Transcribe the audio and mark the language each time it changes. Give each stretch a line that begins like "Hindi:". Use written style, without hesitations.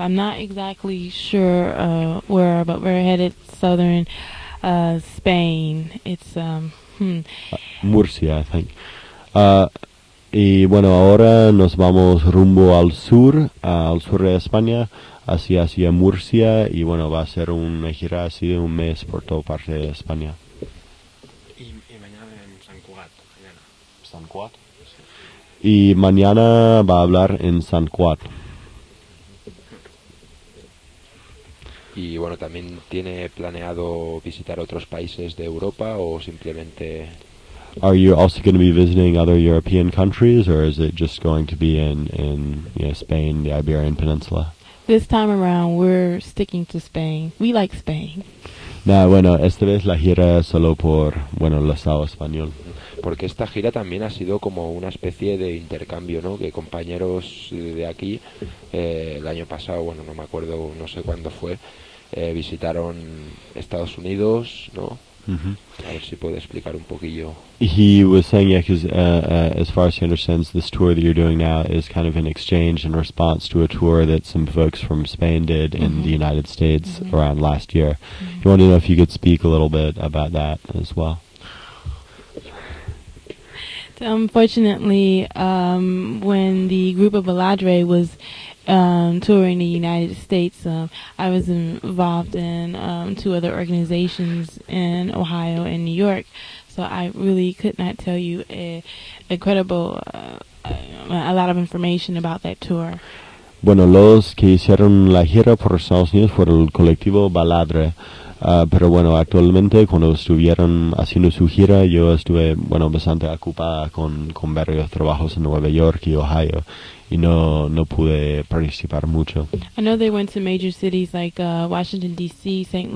English: I'm not exactly sure where, but we're headed southern Spain. It's, Murcia, I think.
Spanish: Y bueno, ahora nos vamos rumbo al sur de España, hacia Murcia, y bueno, va a ser una gira así de un mes por toda parte de España. Y mañana va a hablar en San Cuat. Y bueno, ¿también tiene planeado visitar otros países de Europa o simplemente...?
English: Are you also going to be visiting other European countries or is it just going to be in you know, Spain, the Iberian Peninsula? This time around, we're sticking to Spain. We like Spain.
Spanish: Nah, bueno, esta vez la gira solo por, bueno, el Estado español. Porque esta gira también ha sido como una especie de intercambio, ¿no? Que compañeros de aquí, el año pasado, bueno, no me acuerdo, no sé cuándo fue, visitaron Estados Unidos, ¿no? Mm-hmm. A ver si puede explicar un poquillo.
English: He was saying, yeah, because as far as he understands, this tour that you're doing now is kind of an exchange in response to a tour that some folks from Spain did in the United States around last year. You wanted to know if you could speak a little bit about that as well. Unfortunately, when the group of Baladre was touring the United States, I was involved in two other organizations in Ohio and New York, so I really could not tell you a credible, a lot of information about that tour.
Spanish: Bueno, los que hicieron la gira por Estados Unidos fueron el colectivo Baladre. Pero bueno, actualmente cuando estuvieron haciendo su gira, yo estuve, bueno, bastante ocupada con varios trabajos en Nueva York y Ohio, y no pude participar mucho.
English: I know they went to major cities like Washington, D.C., St.